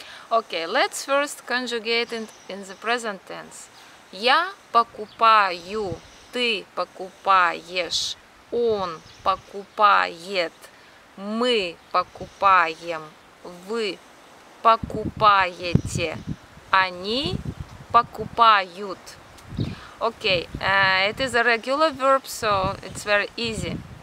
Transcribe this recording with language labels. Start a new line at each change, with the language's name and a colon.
English: Okay, let's first conjugate it in the present tense.
Russian: Я покупаю, ты покупаешь, он покупает, мы покупаем, вы покупаете, они покупают.
English: Okay, it is a regular verb, so it's very easy.